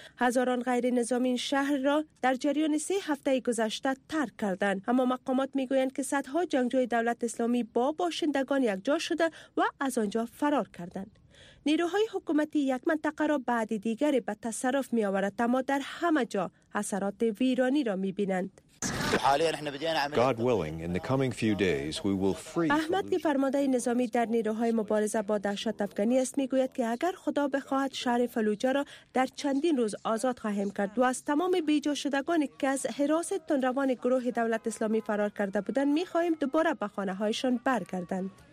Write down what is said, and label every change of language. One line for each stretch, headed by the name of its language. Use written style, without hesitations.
Persian: هزاران غیر نظامی این شهر را در جریان 3 هفته گذشته ترک کردند، اما مقامات می‌گویند که صدها جنگجوی دولت اسلامی با باشندگان یکجا شده و از آنجا فرار کردند. نیروهای حکومتی یک منطقه را بعد دیگر به تصرف می‌آورند، اما در همه جا اثرات ویرانی را می‌بینند.
English: God willing, in the coming few days, we will free.
Persian: احمد که فرمانده نظامی در نیروهای مبارزه با دهشت افغانی است میگوید که اگر خدا بخواهد شهر فلوجه را در چندین روز آزاد خواهیم کرد و از تمام بیجا شدگانی که از حراس تندروان گروه دولت اسلامی فرار کرده بودند میخواهیم دوباره به خانه هایشان برگردند.